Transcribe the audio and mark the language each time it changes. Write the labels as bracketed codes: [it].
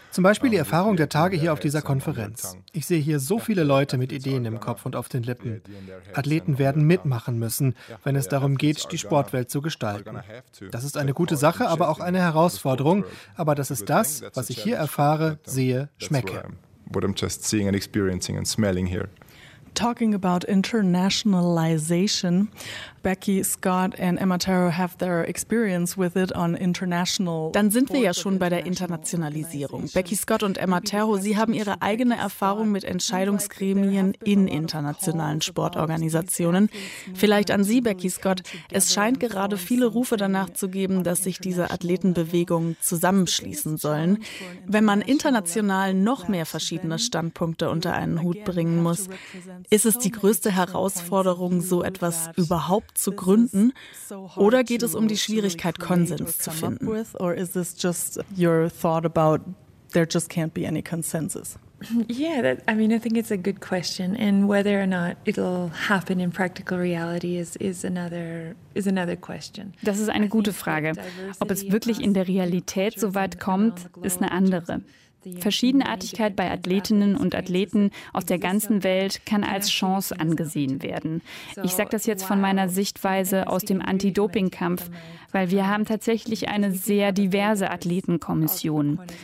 [de] Zum Beispiel die Erfahrung der Tage hier auf dieser Konferenz. Ich sehe hier so viele Leute mit Ideen im Kopf und auf den Lippen. Athleten werden mitmachen müssen, wenn es darum geht, die Sportwelt zu gestalten. Das ist eine gute Sache, aber auch eine Herausforderung. Aber das ist das, was ich hier erfahre, sehe, schmecke. [en] What I'm just seeing and experiencing and smelling here. Talking about internationalization, Becky Scott and Emma Taro have their experience with it on international. [de] Dann sind wir ja schon bei der Internationalisierung. Becky Scott und Emma Taro, sie haben ihre eigene Erfahrung mit Entscheidungsgremien in internationalen Sportorganisationen. Vielleicht an Sie, Becky Scott. Es scheint gerade viele Rufe danach zu geben, dass sich diese Athletenbewegungen zusammenschließen sollen. Wenn man international noch mehr verschiedene Standpunkte unter einen Hut bringen muss, ist es die größte Herausforderung, so etwas überhaupt zu gründen, oder geht es um die Schwierigkeit, Konsens zu finden? [en] Or is this just your thought about there just can't be any consensus? Yeah, that, I mean, I think it's a good question, and whether or not it'll happen in practical reality is another question. [de] Das ist eine gute Frage. Ob es wirklich in der Realität so weit kommt, ist eine andere. Verschiedenartigkeit bei Athletinnen und Athleten aus der ganzen Welt kann als Chance angesehen werden. Ich sage das jetzt von meiner Sichtweise aus dem Anti-Doping-Kampf, weil wir haben tatsächlich eine sehr diverse Athletenkommission.